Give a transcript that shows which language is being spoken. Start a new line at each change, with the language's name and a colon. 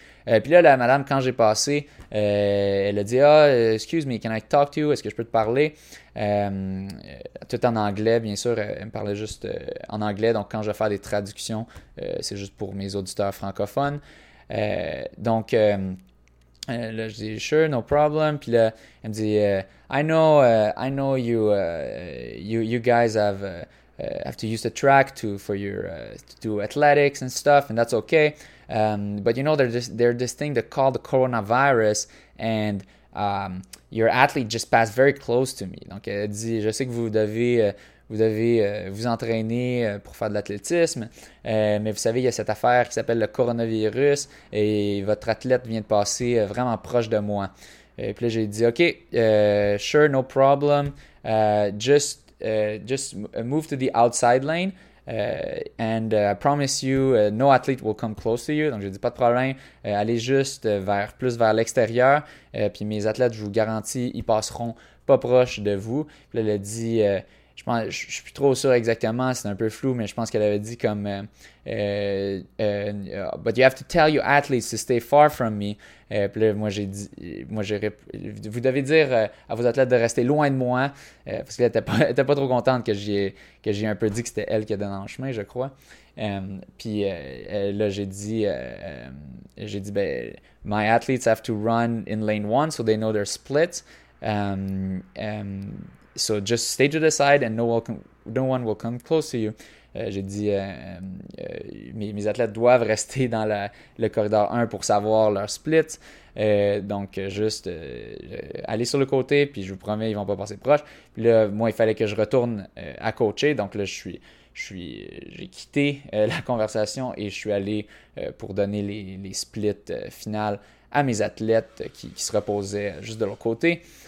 French: Puis là, la madame, quand j'ai passé, elle a dit:
English: Ah, excuse me, can I talk to you?
French: Est-ce que je peux te parler? Tout en anglais, bien sûr. Elle me parlait juste en anglais. Donc, quand je vais faire des traductions, c'est juste pour mes auditeurs francophones. Là, je dis:
English: Sure, no problem.
French: Puis là, elle me dit:
English: I know you guys have to use the track to do athletics and stuff, and that's okay. But you know there's this thing they call the coronavirus, and your athlete just passed very close to me.
French: Donc elle dit, je sais que vous devez vous entraîner pour faire de l'athlétisme, mais vous savez, il y a cette affaire qui s'appelle le coronavirus et votre athlète vient de passer vraiment proche de moi. Et puis là j'ai dit,
English: ok, sure, no problem, just move to the outside lane. And I promise you, no athlete will come close to you.
French: Donc, je dis pas de problème. Allez juste plus vers l'extérieur. Puis mes athlètes, je vous garantis, ils passeront pas proche de vous. Puis là, elle a dit, je suis plus trop sûr exactement, c'est un peu flou, mais je pense qu'elle avait dit comme,
English: but you have to tell your athletes to stay far from me.
French: Puis là, vous devez dire à vos athlètes de rester loin de moi, parce qu'elle était pas trop contente que j'ai un peu dit que c'était elle qui était dans le chemin, je crois. Là, j'ai dit, ben,
English: my athletes have to run in lane one so they know their splits. So just stay to the side and no one will come close to you.
French: J'ai dit, mes athlètes doivent rester dans le corridor 1 pour savoir leur split. Donc, aller sur le côté, puis je vous promets, ils ne vont pas passer proche. Puis là, moi, il fallait que je retourne à coacher. Donc là, j'ai quitté la conversation et je suis allé pour donner les splits finales à mes athlètes qui se reposaient juste de leur côté.